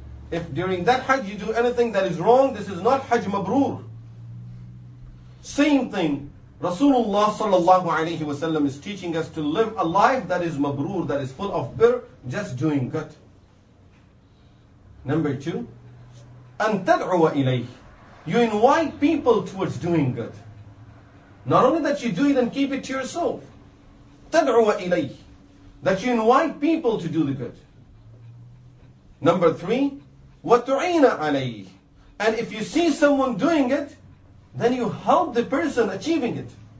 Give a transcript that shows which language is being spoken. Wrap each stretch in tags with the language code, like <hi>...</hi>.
<en>If during that Hajj you do anything that is wrong, this is not Hajj Mabrur. Same thing, Rasulullah sallallahu alayhi wa sallam is teaching us to live a life that is Mabrur, that is full of birr, just doing good. Number two,</en> <ar>أن تدعو إليه.</ar> <en>You invite people towards doing good. Not only that you do it and keep it to yourself.</en> <ar>تدعو إليه.</ar> <en>That you invite people to do the good. Number three,</en> <ar>وتعين عليه.</ar> <en>And if you see someone doing it, then you help the person achieving it.</en>